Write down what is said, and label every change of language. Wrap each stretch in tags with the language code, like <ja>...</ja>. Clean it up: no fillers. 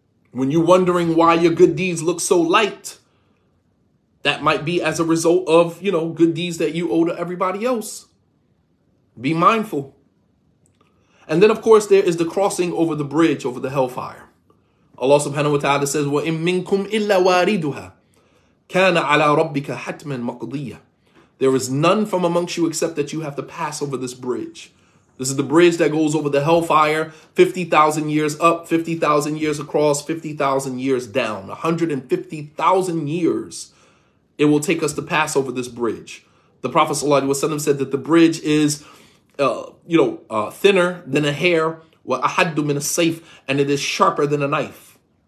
<en>When you're wondering why your good deeds look so light, that might be as a result of, you know, good deeds that you owe to everybody else. Be mindful. And then, of course, there is the crossing over the bridge, over the hellfire. Allah subhanahu wa ta'ala says,</en> <ar>وَإِن مِّنْكُمْ إِلَّا وَارِدُهَا كَانَ عَلَىٰ رَبِّكَ حَتْمًا مَقْضِيًّا.</ar> <en>There is none from amongst you except that you have to pass over this bridge. This is the bridge that goes over the hellfire, 50,000 years up, 50,000 years across, 50,000 years down, 150,000 years. It will take us to pass over this bridge. The Prophet ﷺ said that the bridge is, thinner than a hair,</en> <ar>wa ahaddu min as-sayf,</ar> <en>and it is sharper than a knife.</en>